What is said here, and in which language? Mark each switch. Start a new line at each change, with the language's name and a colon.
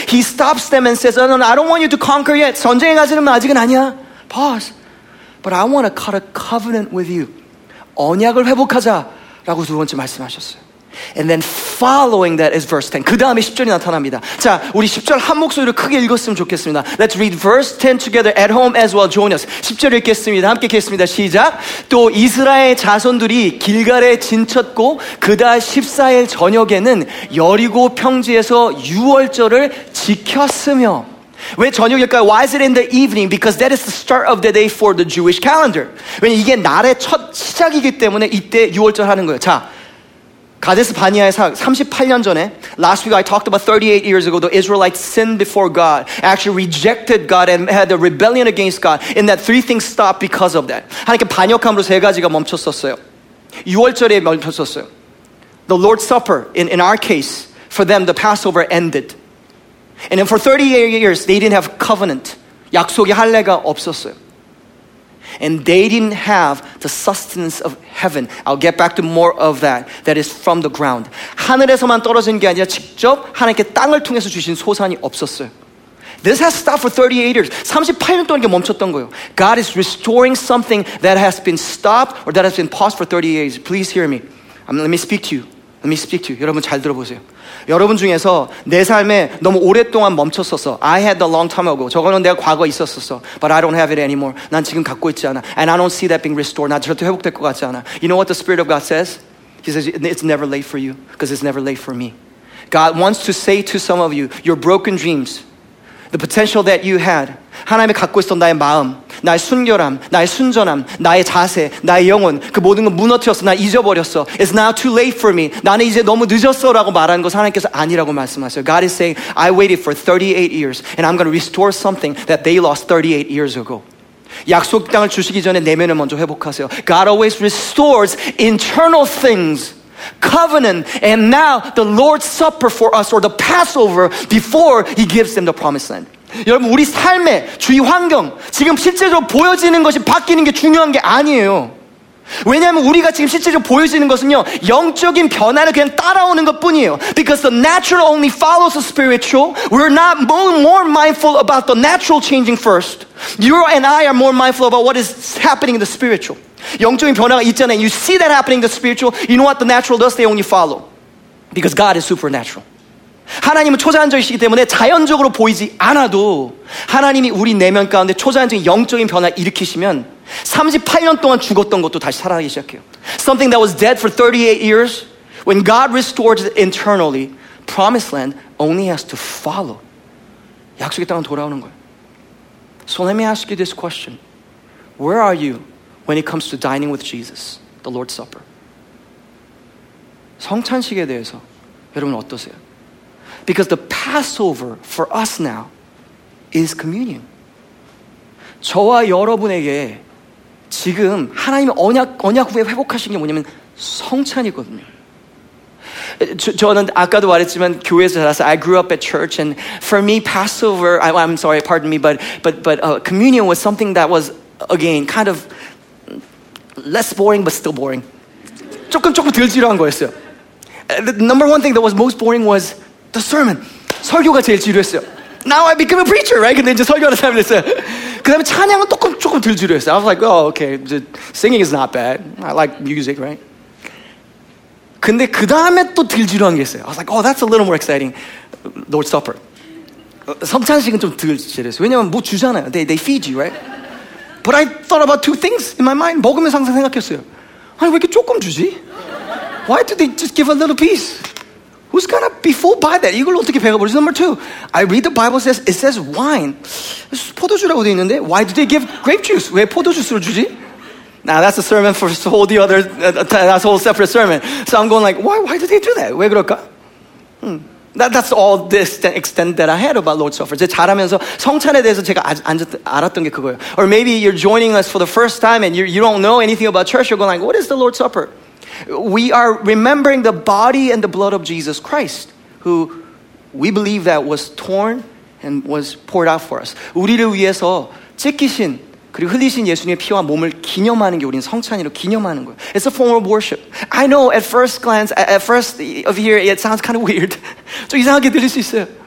English: He stops them and says, no, I don't want you to conquer yet.
Korean: 전쟁에 가지는 아직은 아니야.
English: Pause. But I want to cut a covenant with you.
Korean: 언약을 회복하자. 라고 두 번째 말씀하셨어요.
English: And then following that is verse 10.
Korean: 그 다음에 10절이 나타납니다. 자, 우리 10절 한 목소리로 크게 읽었으면 좋겠습니다.
English: Let's read verse 10 together at home as well. Join us.
Korean: 10절 읽겠습니다. 함께 읽겠습니다. 시작. 또 이스라엘 자손들이 길갈에 진쳤고 그달 14일 저녁에는 여리고 평지에서 유월절을 지켰으며. 왜 저녁일까요?
English: Why is it in the evening? Because that is the start of the day for the Jewish calendar.
Korean: 왜냐면 이게 날의 첫 시작이기 때문에 이때 유월절 하는 거예요. 자, 가데스 바니아에서 38년 전에
English: last week I talked about 38 years ago the Israelites sinned before God actually rejected God and had a rebellion against God and that three things stopped because of that
Korean: 하나님께 반역함으로 세 가지가 멈췄었어요 유월절에 멈췄었어요
English: the Lord's Supper in our case for them the Passover ended and then for 38 years they didn't have covenant
Korean: 약속의 할례가 없었어요
English: And they didn't have the sustenance of heaven. I'll get back to more of that. That is from the ground.
Korean: 하늘에서만 떨어진 게 아니라 직접 하나님께 땅을 통해서 주신 소산이 없었어요.
English: This has stopped for 38 years.
Korean: 38년 동안 이게 멈췄던 거예요.
English: God is restoring something that has been stopped or that has been paused for 38 years. Please hear me. Let me speak to you.
Korean: 여러분 잘 들어보세요. 여러분 중에서 내 삶에 너무 오랫동안 멈췄었어.
English: I had a long time ago.
Korean: 저거는 내가 과거에 있었었어.
English: But I don't have it anymore.
Korean: 난 지금 갖고 있지 않아.
English: And I don't see that being restored.
Korean: 나 절대 회복될 것 같지 않아.
English: You know what the Spirit of God says? He says, it's never late for you because it's never late for me. God wants to say to some of you, your broken dreams, the potential that you had,
Korean: 하나님이 갖고 있었던 나의 마음, 나의 순결함, 나의 순전함, 나의 자세, 나의 영혼, 그 모든 건 무너뜨렸어, 나 잊어버렸어.
English: It's now too late for me.
Korean: 나는 이제 너무 늦었어 라고 말하는 것은 하나님께서 아니라고 말씀하세요.
English: God is saying, I waited for 38 years and I'm going to restore something that they lost 38 years ago.
Korean: 약속 땅을 주시기 전에 내면을 먼저 회복하세요.
English: God always restores internal things. Covenant and now the Lord's Supper for us or the Passover before he gives them the promised land.
Korean: 여러분 우리 삶의 주위 환경 지금 실제로 보여지는 것이 바뀌는 게 중요한 게 아니에요 왜냐하면 우리가 지금 실제로 보여지는 것은요 영적인 변화를 그냥 따라오는 것뿐이에요.
English: Because the natural only follows the spiritual. We're not more mindful about the natural changing first. You and I are more mindful about what is happening in the spiritual.
Korean: 영적인 변화가 있잖아요.
English: You see that happening in the spiritual. You know what the natural does? They only follow. Because God is supernatural.
Korean: 하나님은 초자연적이시기 때문에 자연적으로 보이지 않아도 하나님이 우리 내면 가운데 초자연적인 영적인 변화를 일으키시면 38년 동안 죽었던 것도 다시 살아나기 시작해요.
English: Something that was dead for 38 years, when God restores it internally, promised land only has to follow.
Korean: 약속의 땅은 돌아오는 거예요.
English: So let me ask you this question. Where are you when it comes to dining with Jesus, the Lord's Supper?
Korean: 성찬식에 대해서 여러분 어떠세요?
English: Because the Passover for us now is communion.
Korean: 저와 여러분에게 지금 하나님의 언약 후에 회복하신 게 뭐냐면 성찬이거든요. 저는 아까도 말했지만 교회에서 자라서
English: I grew up at church and for me Passover, I'm sorry, pardon me, but communion was something that was, again, kind of less boring but still boring.
Korean: 조금 덜 지루한 거였어요.
English: The number one thing that was most boring was the sermon.
Korean: 설교가 제일 지루했어요.
English: Now I become a preacher, right?
Korean: 근데 이제 설교하는 사람이 됐어요. 그 다음에 찬양은 조금 덜 지루했어요.
English: I was like, oh, okay, singing is not bad. I like music, right?
Korean: 근데 그 다음에 또 덜 지루한 게 있어요.
English: I was like, oh, that's a little more exciting. Lord's Supper.
Korean: 성찬식은 좀 덜 지루했어요. 왜냐면 뭐 주잖아요.
English: They feed you, right? But I thought about two things in my mind.
Korean: 먹으면 항상 생각했어요. 아니, 왜 이렇게 조금 주지?
English: Why do they just give a little piece? Who's gonna be fooled by that?
Korean: 이걸 어떻게 배가 버리지?
English: Number two, I read the Bible says, it says wine.
Korean: 포도주라고 돼 있는데,
English: why do they give grape juice?
Korean: 왜 포도주스를 주지?
English: Now that's a sermon for all the other, that's a whole separate sermon. So I'm going like, why do they do that?
Korean: 왜 그럴까?
English: That's all this extent that I had about Lord's Supper.
Korean: 제가 자라면서 성찬에 대해서 제가 알았던 게 그거예요.
English: Or maybe you're joining us for the first time and you don't know anything about church. You're going like, what is the Lord's Supper? We are remembering the body and the blood of Jesus Christ, who we believe that was torn and was poured out for us.
Korean: 우리를 위해서 찢기신 그리고 흘리신 예수님의 피와 몸을 기념하는 게 우리는 성찬이로 기념하는 거예요.
English: It's a form of worship. I know at first glance, at first of hear, it sounds kind of weird.
Korean: 좀 이상하게 들릴 수 있어요.